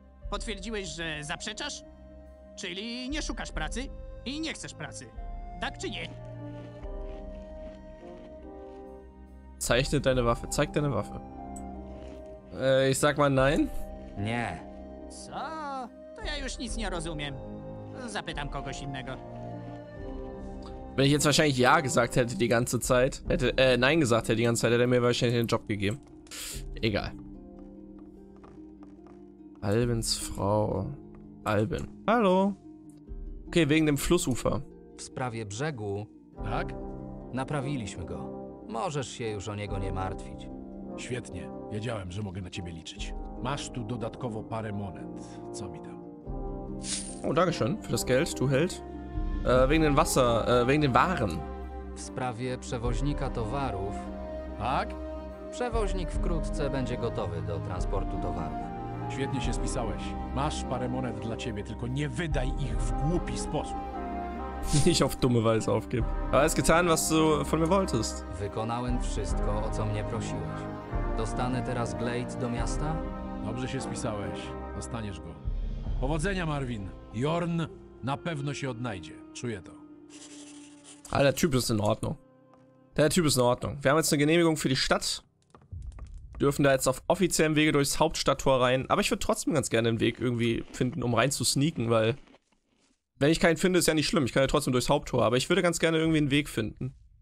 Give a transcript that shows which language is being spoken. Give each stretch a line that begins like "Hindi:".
Polish: Potwierdziłeś, że zaprzeczasz? Czyli nie szukasz pracy i nie chcesz pracy. Tak czy nie?
German: Zeichne deine Waffe, zeig deine Waffe. Ich sag mal nein.
Polish: Nie. Co? To ja już nic nie rozumiem. Zapytam kogoś innego.
German: Wenn ich jetzt wahrscheinlich ja gesagt hätte die ganze Zeit, hätte er mir wahrscheinlich den Job gegeben. Egal. Albens Frau. Albin. Hallo. Okay, wegen dem Flussufer.
Polish: W sprawie brzegu. Tak? Naprawiliśmy go. Możesz się już o niego nie martwić. Świetnie. Wiedziałem, że mogę na ciebie liczyć. Masz tu dodatkowo parę monet. Co mi tam?
German: O, danke schön für das Geld, du Held. Wegen dem Wasser, wegen den Waren.
Polish: W sprawie przewoźnika towarów. Tak? Przewoźnik wkrótce będzie gotowy do transportu towarów. Świetnie się spisałeś. Masz parę monet dla ciebie, tylko nie wydaj ich w głupi sposób.
German: Nicht auf dumme Weise aufgeben. Alles getan, was du von mir wolltest.
Polish: Wykonałem wszystko, o co mnie prosiłeś. Dostanę teraz Glade do miasta? Dobrze się spisałeś. Dostaniesz go. Powodzenia, Marvin. Jorn na pewno się odnajdzie. Czuję to.
German: Ale der Typ ist in Ordnung. Der Typ ist in Ordnung. Wir haben jetzt eine Genehmigung für die Stadt. Dürfen da jetzt auf offiziellem Wege durchs Hauptstadttor rein. Aber ich würde trotzdem ganz gerne einen Weg irgendwie finden, um rein zu sneaken, weil... Wenn ich keinen finde, ist ja nicht schlimm. Ich kann ja trotzdem durchs Haupttor. Aber ich würde ganz gerne irgendwie einen Weg finden.